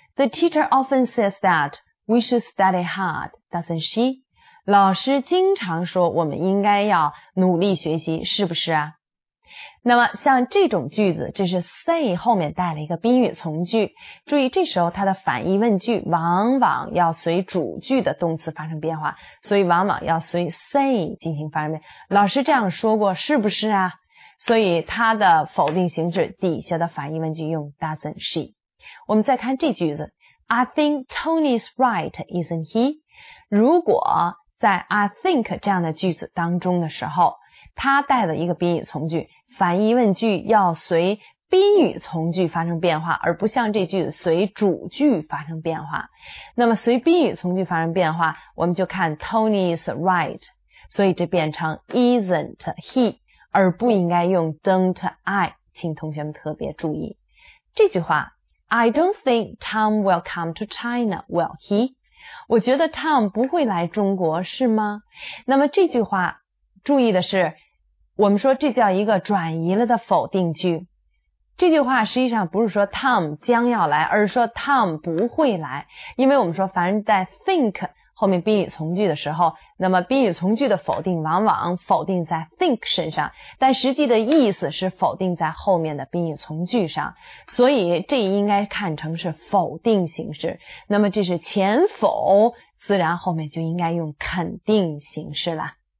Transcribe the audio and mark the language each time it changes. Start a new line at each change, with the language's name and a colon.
English: The teacher often says that we should study hard, doesn't she?
Chinese: 老师经常说我们应该要努力学习，是不是啊？那么像这种句子，这是 say 后面带了一个宾语从句，注意这时候它的反义问句往往要随主句的动词发生变化，所以往往要随 say 进行发生变化。老师这样说过是不是啊？所以它的否定形式底下的反义问句用 doesn't she。我们再看这句子，
English: I think Tony's right, isn't he?
Chinese: 如果在 I think 这样的句子当中的时候，它带了一个宾语从句，反义问句要随宾语从句发生变化，而不像这句子随主句发生变化。那么随宾语从句发生变化，我们就看 Tony is right， 所以这变成 isn't he， 而不应该用 don't I， 请同学们特别注意这句话。
English: I don't think Tom will come to China, will he?
Chinese: 我觉得 Tom 不会来中国，是吗？那么这句话注意的是，我们说这叫一个转移了的否定句，这句话实际上不是说 Tom 将要来，而是说 Tom 不会来，因为我们说凡是在 think 后面宾语从句的时候，那么宾语从句的否定往往否定在 think 身上，但实际的意思是否定在后面的宾语从句上，所以这应该看成是否定形式，那么这是前否，自然后面就应该用肯定形式了。